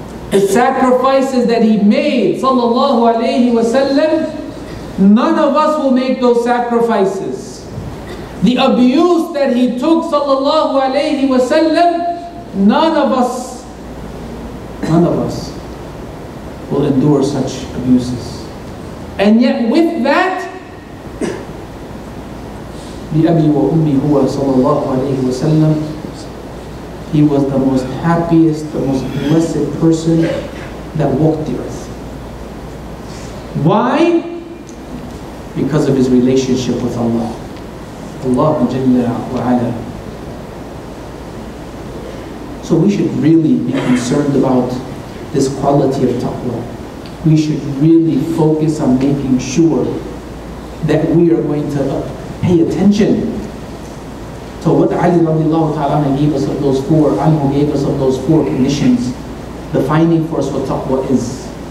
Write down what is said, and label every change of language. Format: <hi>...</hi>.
<en>The sacrifices that he made, sallallahu alayhi wa sallam, none of us will make those sacrifices. The abuse that he took, sallallahu alayhi wa sallam, none of us will endure such abuses. And yet with that,</en> <ar>بِأَبِي وَأُمِّي هُوَ صَلَى اللَّهُ عَلَيْهِ وَسَلَّمُ.</ar> <en>He was the most happiest, the most blessed person that walked the earth. Why? Because of his relationship with Allah.</en> <ar>Allah جَلَّ وَعَلَى.</ar> <en>So we should really be concerned about this quality of taqwa. We should really focus on making sure that we are going to pay attention to what Ali radiallahu ta'ala gave us of those 4, Anhu gave us of those 4 conditions, defining for us what taqwa is.</en>